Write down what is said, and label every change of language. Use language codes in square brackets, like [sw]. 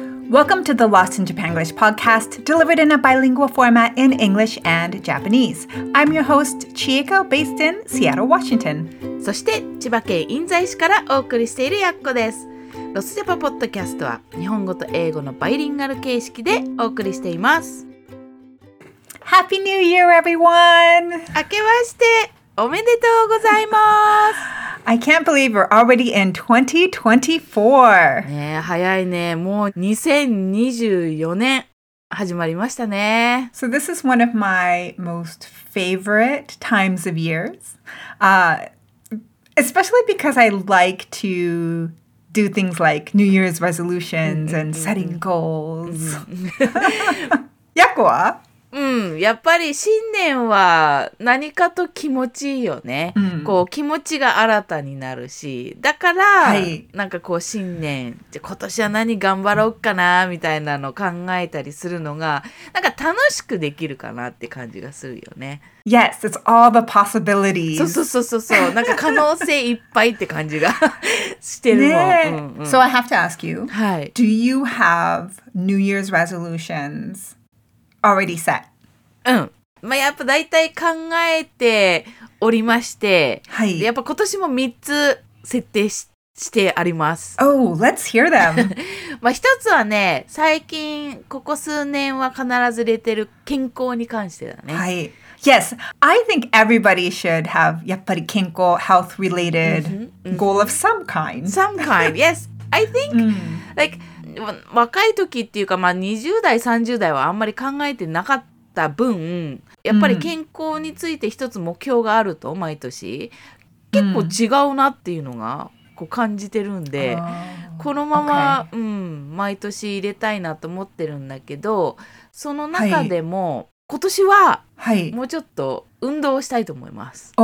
[en] Welcome to the Lost in Japanglish podcast, delivered in a bilingual format in English and Japanese. I'm your host, Chieko, based in Seattle, Washington. [ja] そして千葉県印西市からお送りしているやっこです。ロスジャパポッドキャストは日本語と英語のバイリンガル形式でお送りしています。 [en] Happy New Year, everyone! [ja] 明けましておめでとうございます。 [en] I can't believe we're already in 2024. [ja] ね、早いね。もう2024年始まりましたね。 [en] So this is one of my most favorite times of years. Especially because I like to do things like New Year's resolutions and setting goals. [ja] Yakuは? うん、やっぱり新年は何かと気持ちいいよね。うん、こう気持ちが新たになるし、だから、はい、なんかこう新年、じゃ今年は何頑張ろうかなみたいなのを考えたりするのが、なんか楽しくできるかなって感じがするよね。 [en] Yes, it's all the possibilities. [ja] そうそうそうそうそう、なんか可能性いっぱいって感じがしてるもん。ね、うんうん、 [en] So I have to ask you,、はい、do you have New Year's resolutions? Already set. [ja] うん。まあ、やっぱ大体考えておりまして、はい。やっぱ今年も3つ設定 してあります。 [en] Oh, let's hear them. [ja] まあ、一つはね、最近ここ数年は必ず出てる健康に関してだね。はい。 [en] Yes, I think everybody should have [ja] やっぱり健康 [en] health related goal of some kind. Some kind. Yes, I think like. [ja] 若い時っていうか、まあ、20代30代はあんまり考えてなかった分やっぱり健康について一つ目標があると毎年結構違うなっていうのがこう感じてるんで、このまま、okay. うん、毎年入れたいなと思ってるんだけど、その中でも、はい、今年は、はい、もうちょっと運動をしたいと思います。